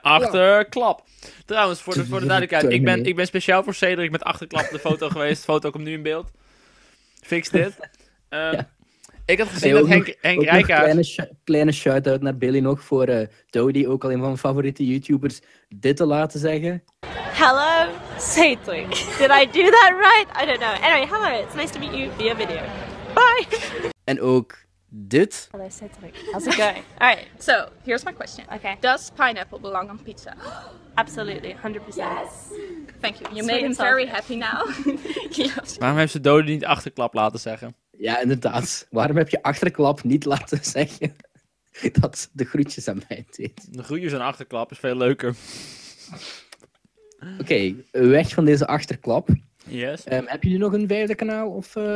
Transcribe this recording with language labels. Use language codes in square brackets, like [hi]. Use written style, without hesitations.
[nl] Achterklap. Ja. Trouwens, voor de duidelijkheid. Ik ben speciaal voor Cedric met Achterklap de foto geweest. De foto komt nu in beeld. Fix dit. Ja. Ik had gezien dat Henk Rijkaard... Kleine shout-out naar Billy nog voor Dodi, ook al een van mijn favoriete YouTubers, dit te laten zeggen. [en] Hello, Cedric. Did I do that right? I don't know. Anyway, hello. It's nice to meet you via video. Bye. [nl] En ook dit. [en] Hello, Cedric. How's it going? Alright, so, here's my question. Okay. Does pineapple belong on pizza? Absolutely, 100%. Yes. Thank you. You made him very happy now. Yes. [nl] Waarom heeft ze Dodi niet Achterklap laten zeggen? Ja, inderdaad. Waarom heb je Achterklap niet laten zeggen dat ze de groetjes aan mij deed? De groetjes aan Achterklap is veel leuker. Oké, weg van deze Achterklap. [en] Yes. [nl] Heb je nu nog een 5e kanaal? Of,